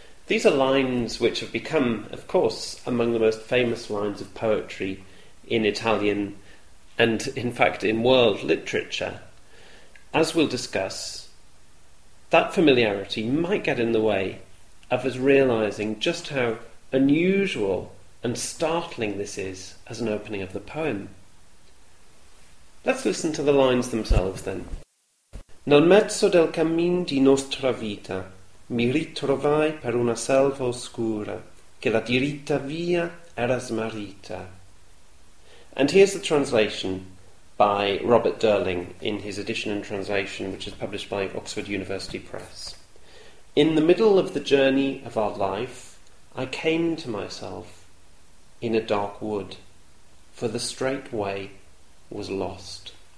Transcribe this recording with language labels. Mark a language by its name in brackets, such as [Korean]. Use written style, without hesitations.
[English] These are lines which have become, of course, among the most famous lines of poetry in Italian, and in fact in world literature. As we'll discuss, that familiarity might get in the way of us realising just how unusual and startling this is as an opening of the poem. Let's listen to the lines themselves then. [Italian] Nel mezzo del cammin di nostra vita mi ritrovai per una selva oscura che la diritta via era smarrita. [English] And here's the translation by Robert Durling in his edition and translation, which is published by Oxford University Press. In the middle of the journey of our life, I came to myself in a dark wood, for the straight way was lost.